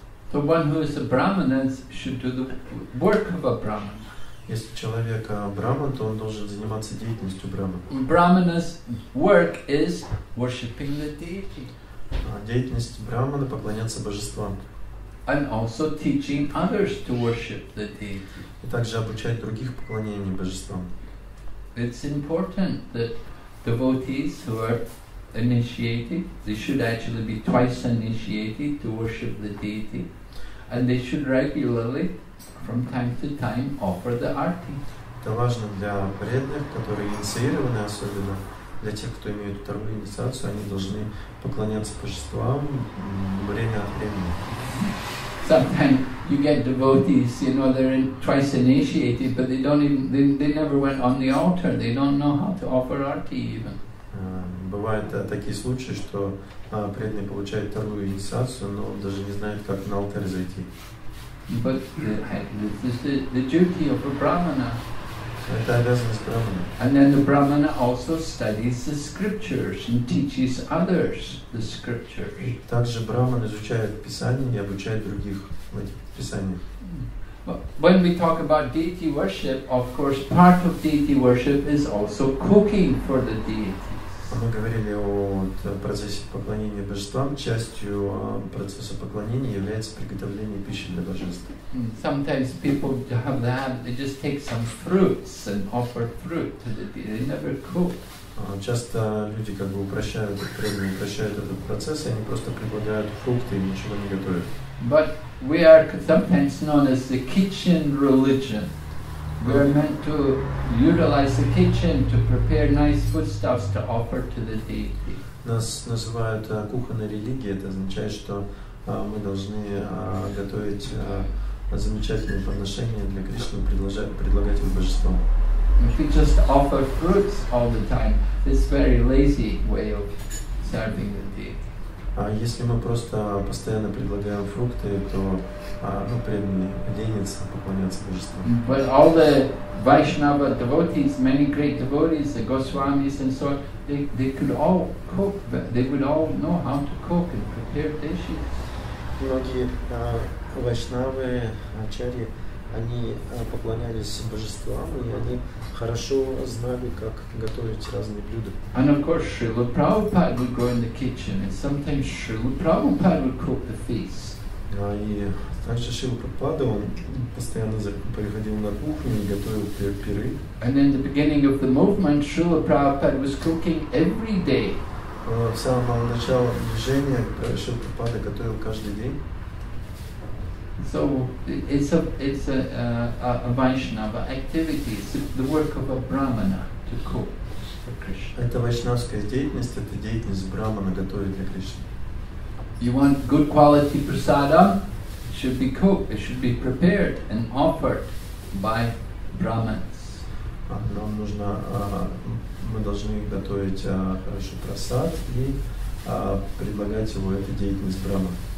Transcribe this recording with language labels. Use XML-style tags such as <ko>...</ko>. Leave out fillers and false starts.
<en>So one who is a brahmana should do the work of a brahmana.</en> <ru>Если человек брахман, то он должен заниматься деятельностью брахмана.</ru> <en>Brahmana's work is worshipping the deity.</en> <ru>Деятельность брахмана – поклоняться божествам.</ru> <en>And also teaching others to worship the deity.</en> <ru>И также обучать других поклонению божествам.</ru> <en>It's important that devotees who are initiated, they should actually be twice initiated to worship the deity, and they should regularly, from time to time, offer the arti.</en> <ru>Это важно для преданных, которые инициированы, особенно для тех, кто имеет вторую инициацию, они должны поклоняться божествам время от времени.</ru> <en>Sometimes you get devotees, you know, they're twice initiated, but they don't even, they never went on the altar. They don't know how to offer arti even.</en> <ru>Бывают такие случаи, что преданные получают вторую инициацию, но даже не знают, как на алтарь зайти.</ru> <en>But the duty of a brahmana.</en> <ru>Это обязанность брахмана.</ru> <en>And then the brahmana also studies the scriptures and teaches others the scriptures.</en> <ru>Также брахман изучает писание и обучает других в этих писаниях.</ru> <en>When we talk about deity worship, of course, part of deity worship is also cooking for the deity.</en> <ru>Мы говорили о процессе поклонения божествам. Частью процесса поклонения является приготовление пищи для божеств.</ru> <en>Sometimes people have the habit, they just take some fruits and offer fruit to the deity. They never cook.</en> <ru>Часто люди как бы упрощают этот процесс, и они просто предлагают фрукты и ничего не готовят.</ru> <en>But we are sometimes known as the kitchen religion. We are meant to utilize the kitchen to prepare nice foodstuffs to offer to the deity.</en> <ru>Нас называют кухонной религией. Это означает, что мы должны готовить замечательные подношения для Кришны, предлагать его божествам.</ru> <en>If we just offer fruits all the time, it's very lazy way of serving the deity.</en> <ru>А если мы просто постоянно предлагаем фрукты, то преданный оденется, поклоняться божеству.</ru> <en>But all the Vaishnava devotees, many great devotees, the Goswamis and so on, they could all cook, they would all know how to cook and prepare dishes.</en> <ru>Многие Вайшнавы, Ачарьи, они поклонялись божествам, и они хорошо знали, как готовить разные блюда.</ru> <en>And of course, Srila Prabhupada would go in the kitchen, and sometimes Srila Prabhupada would cook the feast.</en> <ru>И также Шрила Прабхупада, он постоянно приходил на кухню и готовил пиры.</ru> <en>And in the beginning of the movement, Srila Prabhupada was cooking every day.</en> <ru>В самом начале движения Шрила Прабхупада готовил каждый день.</ru> <en>So it's a Vaishnava activity. It's the work of a brahmana to cook for Krishna.</en> <ru>Это вайшнавская деятельность, это деятельность брахмана готовить для Кришны.</ru> <en>You want good quality prasada? It should be cooked. It should be prepared and offered by brahmanas.</en> <ru>Нам нужно, мы должны готовить хороший прасад и предлагать его, это деятельность брахмана.</ru>